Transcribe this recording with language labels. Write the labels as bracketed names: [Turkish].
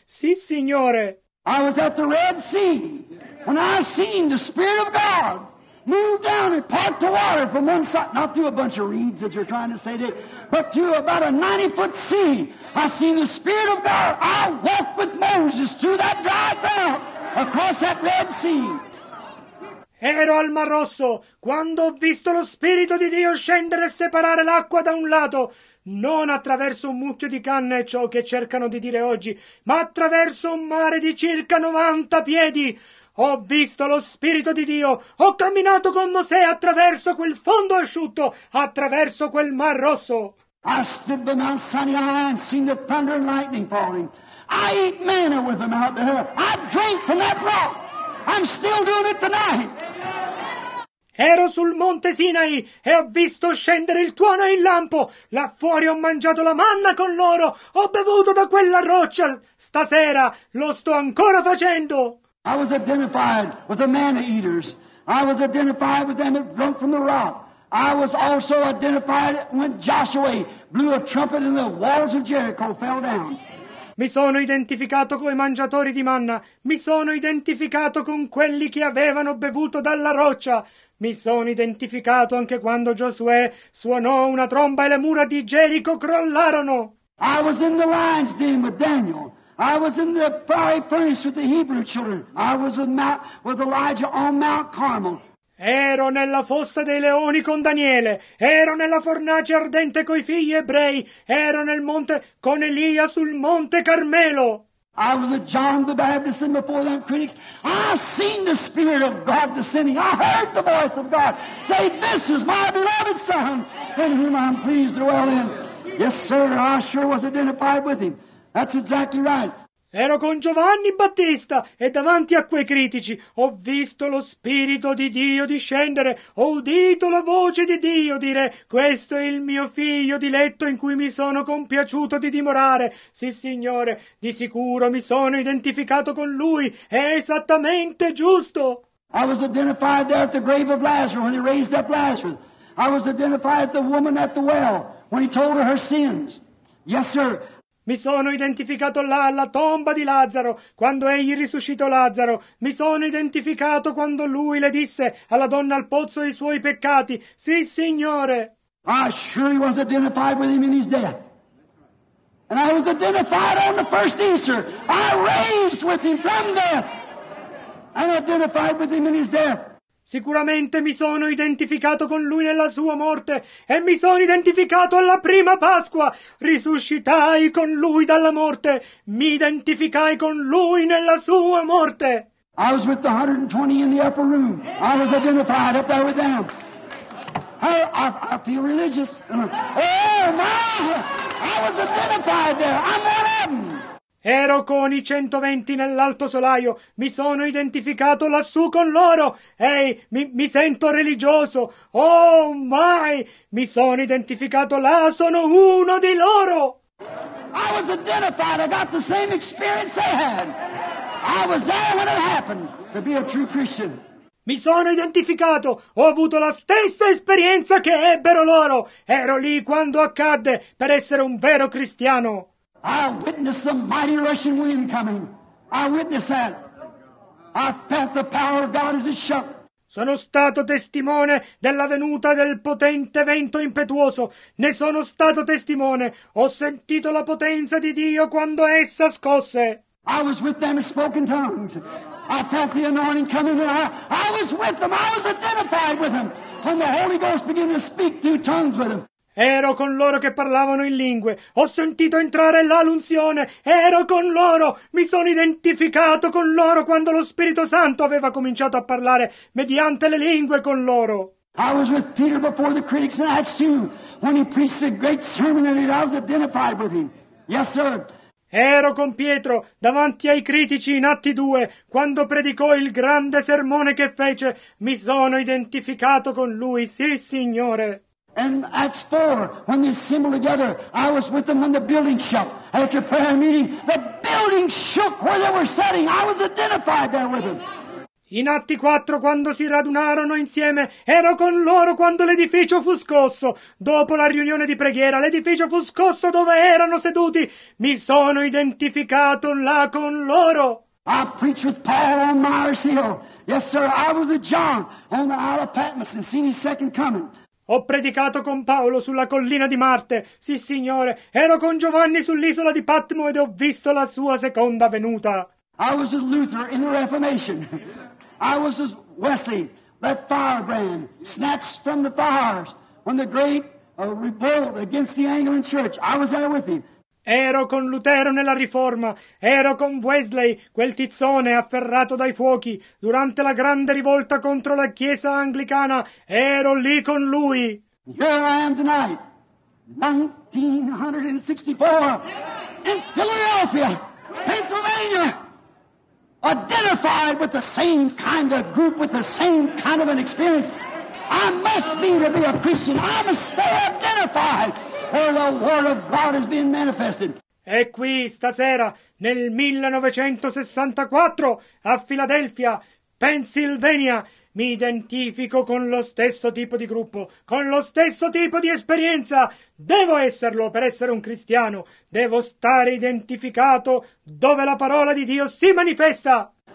[Italian] Sì, signore. [English] I was at the Red Sea when I seen the Spirit of God move down and part the water from one side, not through a bunch of reeds as you're trying to say that, but through about a 90-foot sea. I seen the Spirit of God. I walked with Moses through that dry ground. Across that Red Sea. [Italian] Ero al Mar Rosso quando ho visto lo Spirito di Dio scendere e separare l'acqua da un lato, non attraverso un mucchio di canne, ciò che cercano di dire oggi, ma attraverso un mare di circa 90 piedi. Ho visto lo Spirito di Dio, ho camminato con Mosè attraverso quel fondo asciutto, attraverso quel Mar Rosso. [English] I stood by Mount Sinai and seen the thunder and lightning falling. I eat manna with them out there. I drink from that rock. I'm still doing it tonight. [Italian] Ero sul monte Sinai e ho visto scendere il tuono e il lampo. Là fuori ho mangiato la manna con loro. Ho bevuto da quella roccia. Stasera lo sto ancora facendo. [English] I was identified with the manna eaters. I was identified with them that drunk from the rock. I was also identified when Joshua blew a trumpet and the walls of Jericho fell down. [Italian] Mi sono identificato con i mangiatori di manna. Mi sono identificato con quelli che avevano bevuto dalla roccia. Mi sono identificato anche quando Giosuè suonò una tromba e le mura di Gerico crollarono. [English] I was in the lion's den with Daniel. I was in the fiery furnace with the Hebrew children. I was with Elijah on Mount Carmel. [Italian] Ero nella fossa dei leoni con Daniele, ero nella fornace ardente coi figli ebrei, ero nel monte con Elia sul monte Carmelo. [English] I was a John the Baptist and before them critics. I seen the Spirit of God descending. I heard the voice of God say, this is my beloved Son in whom I'm pleased to dwell in. Yes, sir, I sure was identified with him. That's exactly right. [Italian] Ero con Giovanni Battista e davanti a quei critici ho visto lo Spirito di Dio discendere, ho udito la voce di Dio dire, questo è il mio figlio diletto in cui mi sono compiaciuto di dimorare. Sì, Signore, di sicuro mi sono identificato con Lui, è esattamente giusto. [English] I was identified there at the grave of Lazarus when he raised up Lazarus. I was identified at the woman at the well when he told her sins. Yes, sir. [Italian] Mi sono identificato là alla tomba di Lazzaro, quando egli risuscitò Lazzaro. Mi sono identificato quando lui le disse alla donna al pozzo i suoi peccati. Sì, Signore. [English] I surely was identified with him in his death. And I was identified on the first Easter. I raised with him from death. And identified with him in his death. [Italian] Sicuramente mi sono identificato con lui nella sua morte e mi sono identificato alla prima Pasqua. Risuscitai con lui dalla morte. Mi identificai con lui nella sua morte. [English] I was with the 120 in the upper room. I was identified up there with them. I feel religious. Oh, my! I was identified there. I'm one of them. [Italian] Ero con i 120 nell'alto solaio, mi sono identificato lassù con loro. Ehi, mi sento religioso. [English] Oh my, [Italian] mi sono identificato là, sono uno di loro. [English] I was identified, I got the same experience they had. I was there when it happened to be a true Christian. [Italian] Mi sono identificato, ho avuto la stessa esperienza che ebbero loro. Ero lì quando accadde per essere un vero cristiano. [English] I witnessed some mighty rushing wind coming. I witnessed that. I felt the power of God as it shook. [Italian] Sono stato testimone della venuta del potente vento impetuoso. Ne sono stato testimone. Ho sentito la potenza di Dio quando essa scosse. [English] I was with them and spoke in tongues. I felt the anointing coming. I was with them. I was identified with them. When the Holy Ghost began to speak through tongues with them. [Italian] Ero con loro che parlavano in lingue. Ho sentito entrare là l'unzione. Ero con loro. Mi sono identificato con loro quando lo Spirito Santo aveva cominciato a parlare mediante le lingue con loro. [English] I was with Peter before the critics in Acts 2 when he preached a great sermon and I was identified with him. Yes, sir. [Italian] Ero con Pietro davanti ai critici in Atti 2 quando predicò il grande sermone che fece. Mi sono identificato con lui. Sì, Signore. [English] And Acts 4, when they assembled together, I was with them when the building shook. At your prayer meeting, the building shook where they were sitting. I was identified there with them. [Italian] In Atti 4, quando si radunarono insieme, ero con loro quando l'edificio fu scosso. Dopo la riunione di preghiera, l'edificio fu scosso dove erano seduti. Mi sono identificato là con loro. [English] I preached with Paul on Mars Hill. Yes, sir, I was with John on the Isle of Patmos and seen his second coming. [Italian] Ho predicato con Paolo sulla collina di Marte. Sì, Signore, ero con Giovanni sull'isola di Patmo ed ho visto la sua seconda venuta. [English] I was with Luther in the Reformation. I was with Wesley, that firebrand, snatched from the fires when the great revolt against the Anglican Church. I was there with him. [Italian] Ero con Lutero nella Riforma. Ero con Wesley, quel tizzone afferrato dai fuochi. Durante la grande rivolta contro la Chiesa Anglicana, ero lì con lui. [English] Here I am tonight, 1964, in Philadelphia, Pennsylvania. Identified with the same kind of group, with the same kind of an experience. I must be to be a Christian. I must stay identified. Where the word of God is being manifested. [Italian] E qui stasera, nel 1964, a Philadelphia, Pennsylvania, mi identifico con lo stesso tipo di gruppo, con lo stesso tipo di esperienza. Devo esserlo per essere un cristiano. Devo stare identificato dove la parola di Dio si manifesta.